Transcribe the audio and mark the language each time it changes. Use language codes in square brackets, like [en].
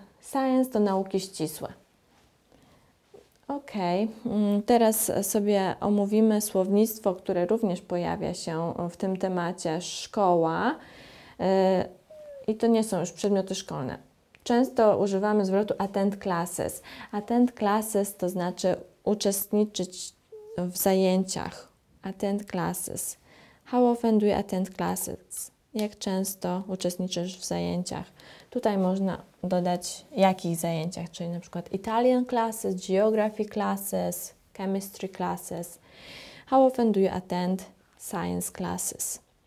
[pl] Science to nauki ścisłe. Okej, teraz sobie omówimy słownictwo, które również pojawia się w tym temacie, szkoła. I to nie są już przedmioty szkolne. Często używamy zwrotu [en] attend classes. Attend classes [pl] to znaczy uczestniczyć w zajęciach. [en] Attend classes. How often do you attend classes? [pl] Jak często uczestniczysz w zajęciach? Tutaj można dodać jakich zajęciach, czyli na przykład [en] Italian classes, geography classes, chemistry classes. How often do you attend science classes?